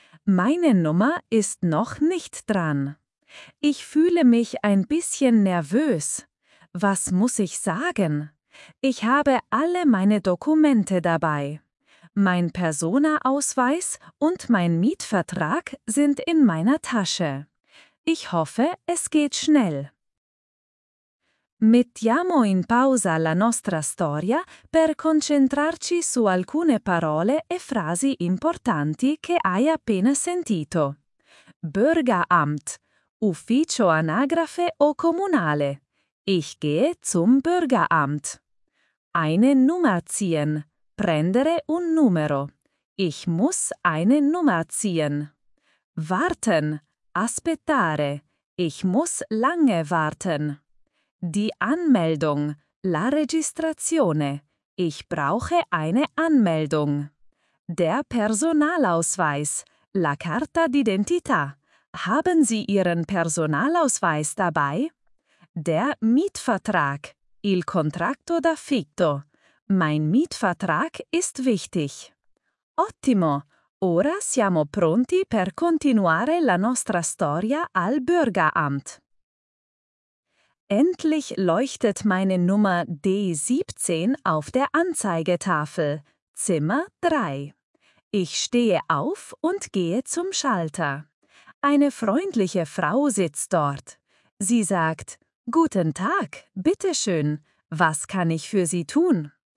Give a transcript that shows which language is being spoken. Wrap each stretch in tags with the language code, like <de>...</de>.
<de>Meine Nummer ist noch nicht dran. Ich fühle mich ein bisschen nervös. Was muss ich sagen? Ich habe alle meine Dokumente dabei. Mein Personaausweis und mein Mietvertrag sind in meiner Tasche. Ich hoffe, es geht schnell.</de> <it>Mettiamo in pausa la nostra storia per concentrarci su alcune parole e frasi importanti che hai appena sentito. Bürgeramt, ufficio anagrafe o comunale.</it> <de>Ich gehe zum Bürgeramt. Eine Nummer ziehen.</de> <it>Prendere un numero.</it> <de>Ich muss eine Nummer ziehen. Warten.</de> <it>Aspettare.</it> <de>Ich muss lange warten. Die Anmeldung.</de> <it>La registrazione.</it> <de>Ich brauche eine Anmeldung. Der Personalausweis.</de> <it>La carta d'identità.</it> <de>Haben Sie Ihren Personalausweis dabei? Der Mietvertrag.</de> <it>Il contratto d'affitto.</it> <de>Mein Mietvertrag ist wichtig.</de> <it>Ottimo! Ora siamo pronti per continuare la nostra storia al Bürgeramt.</it> <de>Endlich leuchtet meine Nummer D17 auf der Anzeigetafel, Zimmer 3. Ich stehe auf und gehe zum Schalter. Eine freundliche Frau sitzt dort. Sie sagt, Guten Tag, bitteschön, was kann ich für Sie tun?</de>